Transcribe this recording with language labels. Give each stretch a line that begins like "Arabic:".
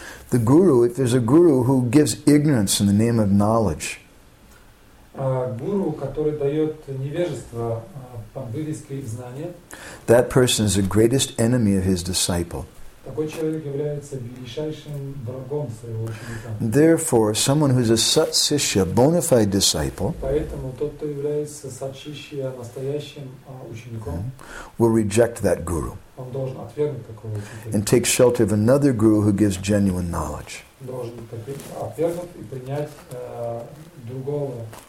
English: The guru, if there's a guru who gives ignorance in the name of knowledge,
Russian: Guru, который дает невежество под вывеской знания,
English: that person is the greatest enemy of his disciple.
Russian: Такой человек является величайшим врагом своего ученика.
English: Therefore, someone who is a satsishya, bona fide disciple,
Russian: поэтому тот, кто является satsishya, настоящим учеником,
English: will reject that guru.
Russian: Он должен отвергнуть такого ученика.
English: And take shelter of another guru who gives genuine knowledge.
Russian: Должен отвергнуть и принять другого.